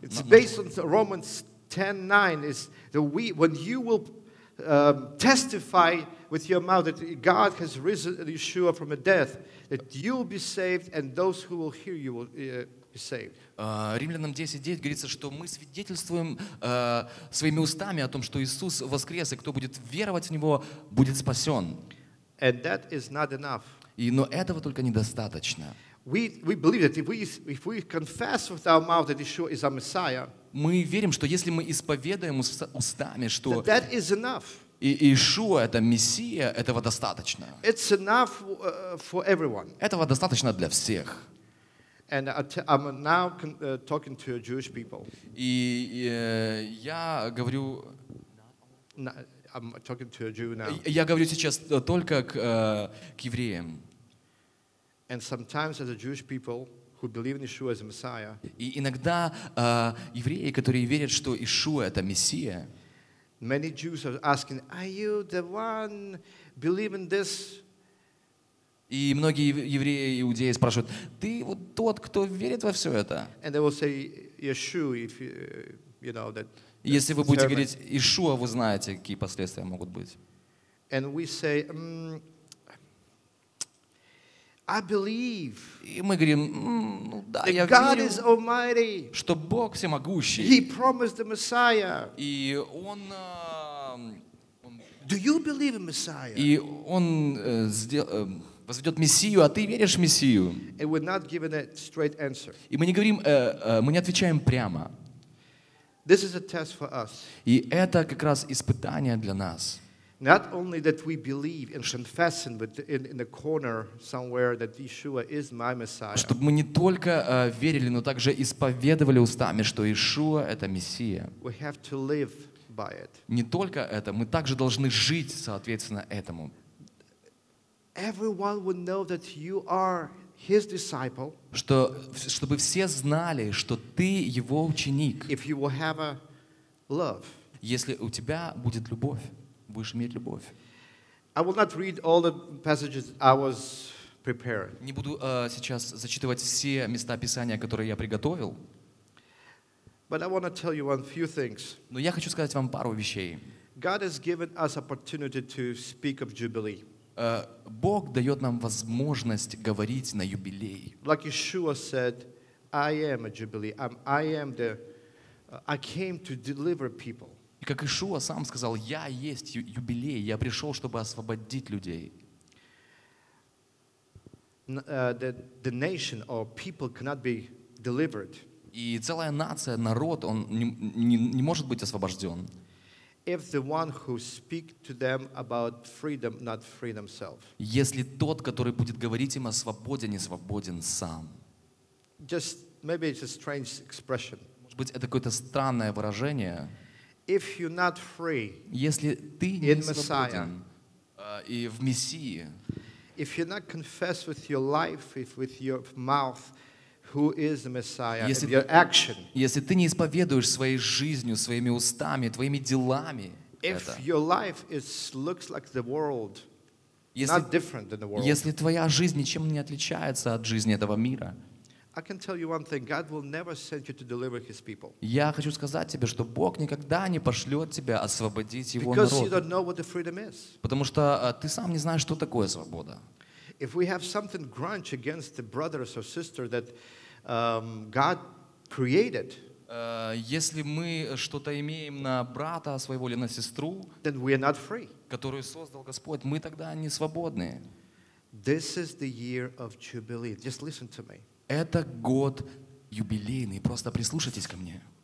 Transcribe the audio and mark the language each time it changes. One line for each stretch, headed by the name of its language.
English: It's based on Romans 10:9 is that we when you will testify with your mouth that God has risen Yeshua from the death, that you will be saved and those who will hear you will be saved.
Russian: Римлянам 10:9 говорится, что мы свидетельствуем своими устами о том, что Иисус воскрес, и кто будет веровать в Него, будет спасен.
English: And that is not enough.
Russian: Но этого только недостаточно.
English: We believe that if we confess with our mouth that Yeshua is our Messiah,
Russian: мы верим, что если мы исповедуем устами, что
English: that is enough.
Russian: И Иешуа — это Мессия, этого достаточно.
English: It's enough for everyone.
Russian: Этого достаточно для всех.
English: And I'm now talking to Jewish people.
Russian: И я говорю...
English: I'm talking to a Jew now.
Russian: Я говорю сейчас только к евреям.
English: And sometimes as a Jewish people, who believe in Yeshua as a Messiah.
Russian: И иногда евреи, которые верят, что Иешуа — это Мессия,
English: many Jews are asking, are you the one believing this?
Russian: И многие евреи и иудеи спрашивают, ты вот тот, кто верит во все это?
English: And they will say, Yeshua, if you know that.
Russian: Если вы будете говорить, Иешуа, вы знаете, какие последствия могут быть.
English: And we say, I believe.
Russian: И мы говорим, ну да, я верю, что Бог всемогущий.
English: He promised the Messiah.
Russian: И он,
English: do you believe in Messiah?
Russian: И он возведет Мессию, а ты веришь в Мессию?
English: And we're not giving a straight answer.
Russian: И мы не говорим, мы не отвечаем прямо.
English: This is a test for us.
Russian: И это как раз испытание для нас.
English: Not only that we believe and confess in the corner somewhere that Yeshua is my Messiah.
Russian: Чтобы мы не только верили, но также исповедовали устами, что Иешуа это Мессия.
English: We have to live by it.
Russian: Не только это, мы также должны жить соответственно этому.
English: Everyone would know that you are His disciple.
Russian: Чтобы все знали, что ты Его ученик.
English: If you will have a love.
Russian: Если у тебя будет любовь. Будешь иметь любовь.
English: I will not read all the passages I was prepared.
Russian: Не буду сейчас зачитывать все места Писания, которые я приготовил.
English: But I want to tell you one few things.
Russian: Но я хочу сказать вам пару вещей.
English: God has given us opportunity to speak of jubilee.
Russian: Бог дает нам возможность говорить на юбилей.
English: Like Yeshua said, I am a jubilee. I came to deliver people.
Russian: И как Иешуа сам сказал, я есть юбилей, я пришел, чтобы освободить людей.
English: The nation or people cannot be delivered.
Russian: И целая нация, народ, он не может быть освобожден.
English: If the one who speak to them about freedom not free themselves.
Russian: Если тот, который будет говорить им о свободе, не свободен сам.
English: Just maybe it's a strange expression.
Russian: Может быть, это какое-то странное выражение.
English: If you're not free,
Russian: если ты не
English: in
Russian: свободен,
English: Messiah,
Russian: и в Мессии,
English: if you're not confess with your life, if with your mouth, who is the Messiah,
Russian: если
English: your action,
Russian: если ты не исповедуешь своей жизнью, своими устами, твоими делами,
English: if
Russian: это,
English: your life looks like the world, not different than the world,
Russian: если твоя жизнь ничем не отличается от жизни этого мира.
English: I can tell you one thing: God will never send you to deliver His people.
Russian: Я хочу сказать тебе, что Бог никогда не пошлет тебя освободить Его народ.
English: Because you don't know what the freedom is.
Russian: Потому что ты сам не знаешь, что такое свобода.
English: If we have something grudge against the brothers or sisters that God created,
Russian: если мы что-то имеем на брата своего или на сестру,
English: then we are not free.
Russian: Которую создал Господь, мы тогда не свободны.
English: This is the year of jubilee. Just listen to me.
Russian: Это год юбилейный. Просто прислушайтесь ко мне.